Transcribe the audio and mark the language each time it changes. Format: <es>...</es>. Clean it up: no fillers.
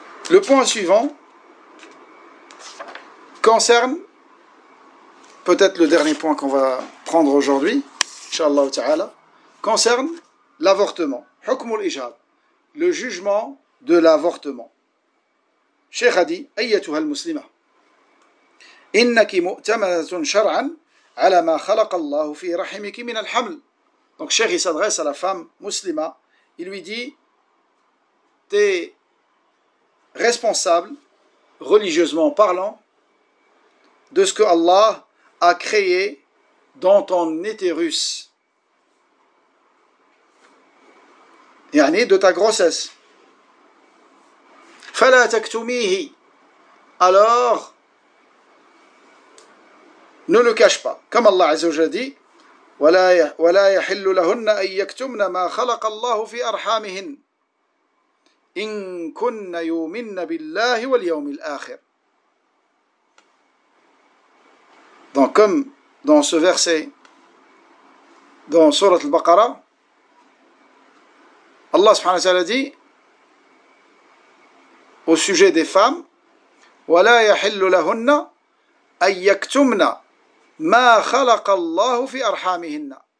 <fr>Le point suivant concerne peut-être le dernier point qu'on va prendre aujourd'hui, inshallah ta'ala, concerne l'avortement.</fr> <ar>حكم الإجهاض,</ar> <fr>le jugement de l'avortement. Cheikh a dit,</fr> <ar>أيتها المسلمة, إنك مؤتمنة شرعا على ما خلق الله في رحمك من الحمل.</ar> <fr>Donc Cheikh s'adresse à la femme muslima, il lui dit, t'es responsable, religieusement parlant, de ce que Allah a créé dans ton utérus. Yani de ta grossesse.</fr> <ar>فَلَا تَكْتُمِيهِ.</ar> <fr>Alors, ne le cache pas. Comme Allah Azza wa Jalla dit,</fr> <ar>وَلَا يَحِلُّ لَهُنَّ أَن يَكْتُمْنَ مَا خَلَقَ اللَّهُ فِي أَرْحَامِهِنْ إِن كُنَّ يُؤْمِنَّ بِاللَّهِ وَالْيَوْمِ الْآخِرِ.</ar> <fr>Donc, comme dans ce verset, dans Sourate Al-Baqarah, Allah subhanahu wa ta'ala dit au sujet des femmes,</fr> <ar>وَلَا يَحِلُّ لَهُنَّ أَن يَكْتُمْنَ مَا خَلَقَ اللَّهُ فِي أَرْحَامِهِنَّ.</ar>